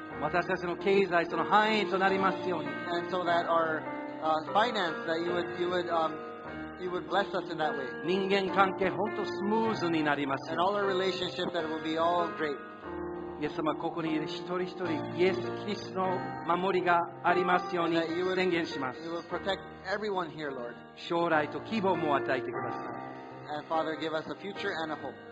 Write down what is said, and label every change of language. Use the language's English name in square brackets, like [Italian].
[Japanese] 私たちの経済その範囲となりますように。 [English] And so that our finance, that you would bless us in that way. [Japanese] 人間関係本当スムーズになります。 [English] And all our relationship that will be all great. [Japanese] イエス様、ここにいる一人一人、イエスキリストの守りがありますように宣言します。 [English] You will protect everyone here, Lord. [Japanese] 将来と希望も与えてください。 [English] And Father, give us a future and a hope.